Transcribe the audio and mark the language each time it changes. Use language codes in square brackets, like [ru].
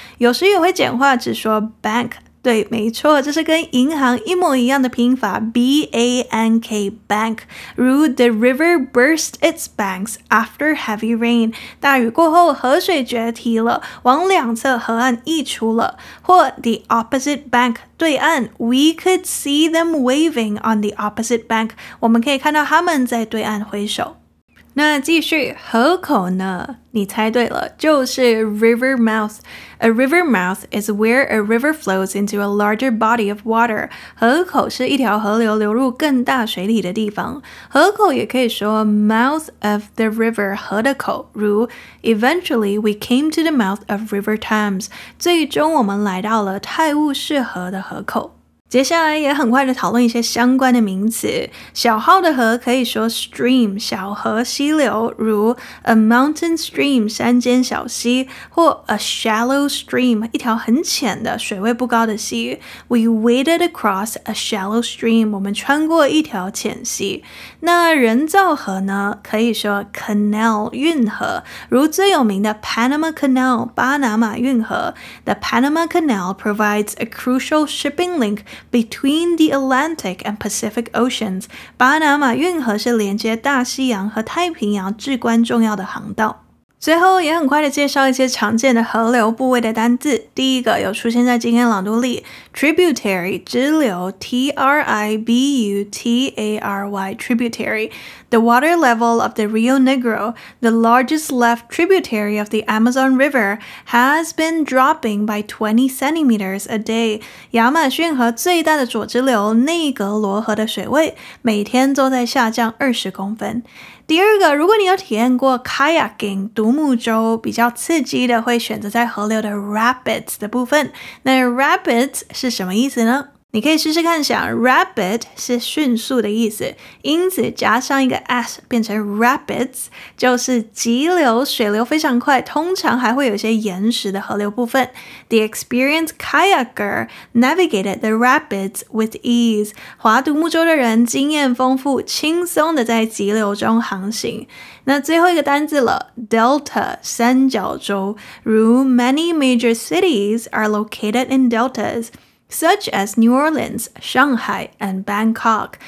[zh] 有时也会简化只说 bank，对，没错，这是跟银行一模一样的拼法 ,B-A-N-K, bank, 如 [en] the river burst its banks after heavy rain, [zh] 大雨过后河水决堤了，往两侧河岸溢出了，或 [en] the opposite bank, [zh] 对岸 , [en] we could see them waving on the opposite bank, [zh] 我们可以看到他们在对岸挥手。那继续河口呢？你猜对了，就是 [en] river mouth. A river mouth is where a river flows into a larger body of water. [zh] 河口是一条河流流入更大水体的地方。河口也可以说 [en] mouth of the river, [zh] 河的口，如 [en] eventually we came to the mouth of River Thames. [zh] 最终我们来到了泰晤士河的河口。接下来也很快的讨论一些相关的名词。小号的河可以说 stream, 小河溪流，如 [en] a mountain stream, [zh] 山间小溪，或 [en] a shallow stream, [zh] 一条很浅的水位不高的溪。 [en] We waded across a shallow stream, [zh] 我们穿过一条浅溪。那人造河呢，可以说 canal, 运河，如最有名的 Panama Canal, 巴拿马运河。 [en] The Panama Canal provides a crucial shipping linkBetween the Atlantic and Pacific Oceans, [zh] 巴拿马运河是连接大西洋和太平洋至关重要的航道。最后也很快的介绍一些常见的河流部位的单字。 [en] 第一个有出现在今天朗读里 ,tributary, 支流 ,tributary, tributary, the water level of the Rio Negro, the largest left tributary of the Amazon River, has been dropping by 20 centimeters a day. [zh] 亚马逊河最大的左支流内格罗河的水位每天都在下降20公分。第二个，如果你有体验过 kayaking 独木舟，比较刺激的会选择在河流的 rapids 的部分。那 rapids 是什么意思呢？你可以试试看想 rapid 是迅速的意思，因此加上一个 s 变成 rapids 就是急流，水流非常快，通常还会有一些岩石的河流部分。 [en] The experienced kayaker navigated the rapids with ease. [zh] 划独木舟的人经验丰富，轻松的在急流中航行。那最后一个单字了 [en] ,Delta, 三角洲，如 many major cities are located in deltas. Such as New Orleans, Shanghai, and Bangkok.